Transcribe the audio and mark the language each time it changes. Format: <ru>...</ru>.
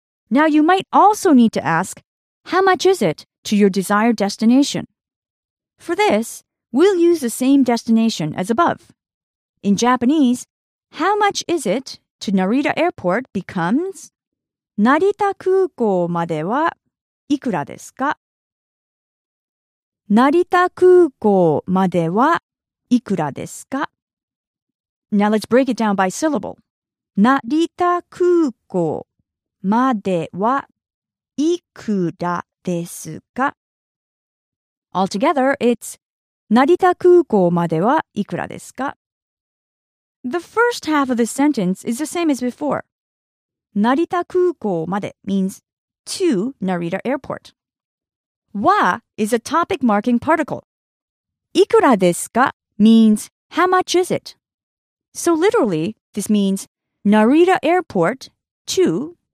<en>Now you might also need to ask, how much is it to your desired destination? For this, we'll use the same destination as above. In Japanese, how much is it to Narita Airport becomes</en> <ja>成田空港まではいくらですか? 成田空港まではいくらですか?</ja> <en>Now let's break it down by syllable.</en> <ja>Narita Kūkō まではいくらですか?</ja> <en>Altogether, it's</en> <ja>Narita Kūkō まではいくらですか?</ja> <en>The first half of the sentence is the same as before.</en> <ja>Narita Kūkō まで</ja> <en>means to Narita Airport. わ is a topic marking particle.</en> <ja>いくらですか?</ja> <en>means, how much is it? So literally, this means, Narita Airport, 2,</en>